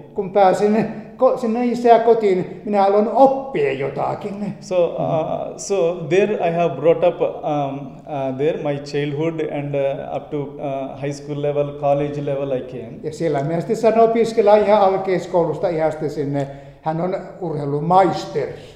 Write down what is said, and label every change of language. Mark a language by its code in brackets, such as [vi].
[fi] Kun pääsin sinne isää kotiin, minä haluan oppia jotakin. [en] So there I have brought up there my childhood and up to high school level, college level I came. [fi] Ja siellä minä sitten saan opiskella ihan alkeiskoulusta ihan sitten sinne. Hän on urheilumaisteri.